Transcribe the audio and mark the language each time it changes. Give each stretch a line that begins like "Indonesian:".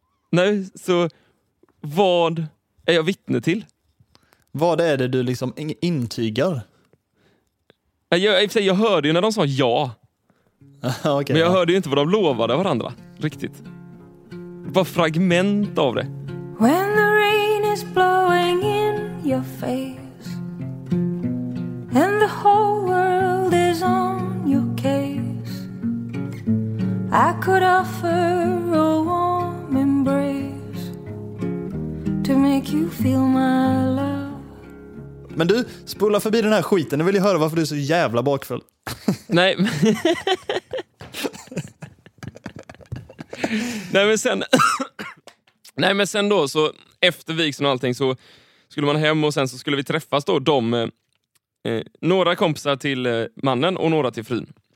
Swedish: Nej, så vad är jag vittne till? Vad är det du liksom intygar? Jag hörde ju när de sa ja. Okay, men jag hörde ju inte vad de lovade varandra, riktigt. Bara fragment av det.
English: When the rain is blowing in your face and the whole world is on your case, I could offer a warm embrace to make you feel my love.
Swedish: Men du, spola förbi den här skiten. Nu vill jag höra varför du är så jävla bakfull. Nej. Nej, men sen... Nej, men sen då, så efter vigseln och allting så skulle man hem och sen så skulle vi träffas då de, några kompisar till mannen och några till frun.